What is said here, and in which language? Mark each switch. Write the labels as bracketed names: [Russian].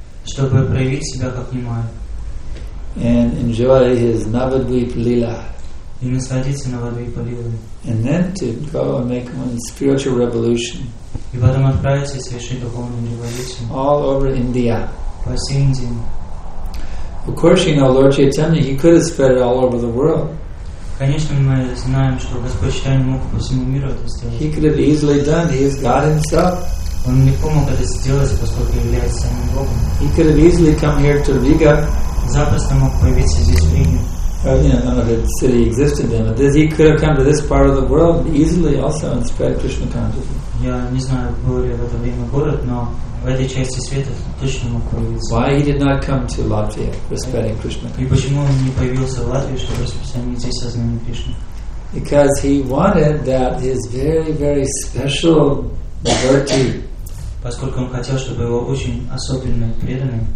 [Russian] Чтобы проявить себя как Нимай. [English] And enjoy his Navadvip Lila. [Russian] И насладиться Навадвипа Лилой. [English] And then to go and make one spiritual revolution. [Russian] И потом отправиться и совершить духовную революцию. [English] All over India. [Russian] По всей Индии. [English] Of course, you know, Lord Chaitanya, he could have spread it all over the world. [Russian] Конечно, мы знаем, что Господь Чайтанья мог по всему миру это сделать. [English] He could have easily done, he is God himself. [Russian] Он легко мог это сделать, поскольку является самим Богом. [English] He could have easily come here to Riga. [Russian] Запросто мог появиться здесь в Риге. [English] None of the city existed then. But this, he could have come to this part of the world easily also and spread Krishna consciousness. [Russian] Я не знаю, был ли в это время город, но в этой части света точно мог появиться. [English] Why he did not come to Latvia for spreading Krishna consciousness? [Russian] И почему он не появился в Латвии, чтобы распространить здесь сознание Кришны? [English] Because he wanted that his very, very special devotee. [Russian] Поскольку он хотел, чтобы его очень особенный преданный.